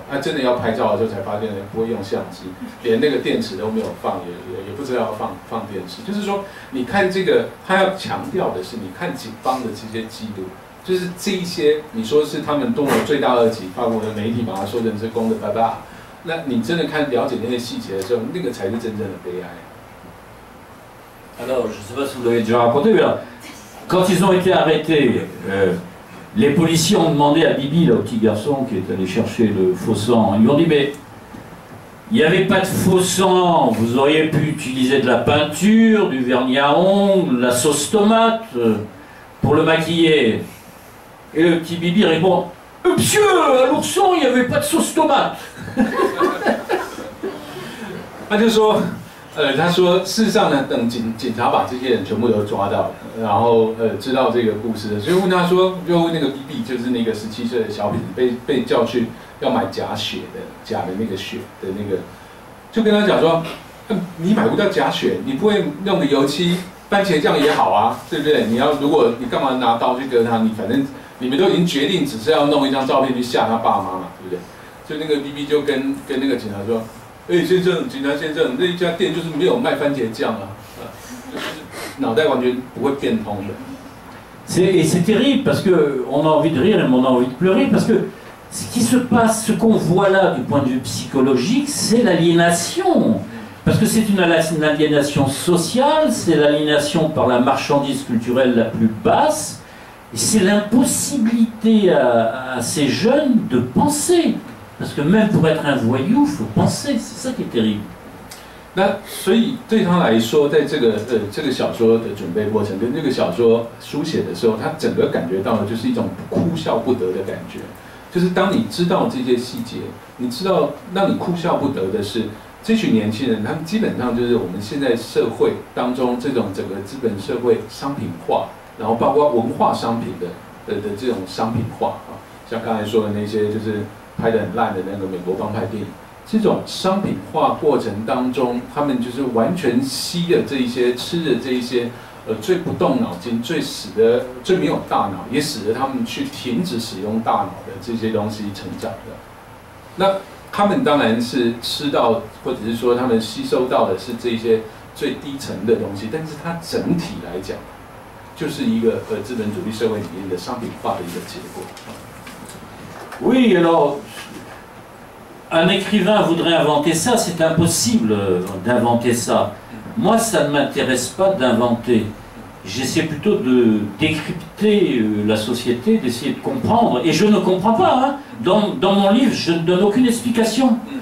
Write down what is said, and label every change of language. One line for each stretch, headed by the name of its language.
Chinese: 那真的要拍照的时候才发现不会用相机，连那个电池都没有放，也不知道要放电池。就是说你看这个，他要强调的是你看警方的这些记录，就是这一些你说是他们动了罪大恶极，法国的媒体把他说成是功德巴巴，那你真的看了解那些细节的时候，那个才是真正的悲哀。
French: Alors, je ne sais pas si vous l'avez déjà raconté, mais là, quand ils ont été arrêtés, les policiers ont demandé à Bibi, là, au petit garçon qui est allé chercher le faux sang, ils ont dit, mais il n'y avait pas de faux sang, vous auriez pu utiliser de la peinture, du vernis à ongles, de la sauce tomate pour le maquiller. Et le petit Bibi répond, monsieur, à l'ourson, il n'y avait pas de sauce tomate. Ah, tu sais,
Chinese: 他说事实上呢，等警察把这些人全部都抓到了，然后知道这个故事的，所以问他说，就问那个 BB， 就是那个17岁的小痞子被叫去要买假的那个血的那个，就跟他讲说，你买不到假血，你不会弄个油漆番茄酱也好啊，对不对？你要如果你干嘛拿刀去割他，你反正你们都已经决定只是要弄一张照片去吓他爸妈嘛，对不对？就那个 BB 就跟那个警察说，先生，警察先生，那一家店就是没有卖番茄酱啊，脑袋完全不会变通的。
French: C'est terrible parce que on a envie de rire et on a envie de pleurer parce que ce qui se passe, ce qu'on voit là du point de vue psychologique, c'est l'aliénation. Parce que c'est une aliénation sociale, c'est l'aliénation par la marchandise culturelle la plus basse, et c'est l'impossibilité à ces jeunes de penser. Parce que même pour être un voyou, il faut penser. C'est ça qui est terrible.
Chinese: 那所以对他来说，在这个小说的准备过程跟这个小说书写的时候，他整个感觉到的就是一种哭笑不得的感觉。就是当你知道这些细节，你知道让你哭笑不得的是，这群年轻人他们基本上就是我们现在社会当中这种整个资本社会商品化，然后包括文化商品的这种商品化啊，像刚才说的那些就是拍得很烂的那个美国帮派电影，这种商品化过程当中，他们就是完全吸的这一些，吃的这一些，最不动脑筋，最没有大脑，也使得他们去停止使用大脑的这些东西成长的。那他们当然是吃到，或者是说他们吸收到的是这些最低层的东西，但是它整体来讲，就是一个资本主义社会里面的商品化的一个结果。
French: Oui, alors, un écrivain voudrait inventer ça, c'est impossible d'inventer ça. Moi, ça ne m'intéresse pas d'inventer. J'essaie plutôt de décrypter la société, d'essayer de comprendre. Et je ne comprends pas, hein. Dans mon livre, je ne donne aucune explication.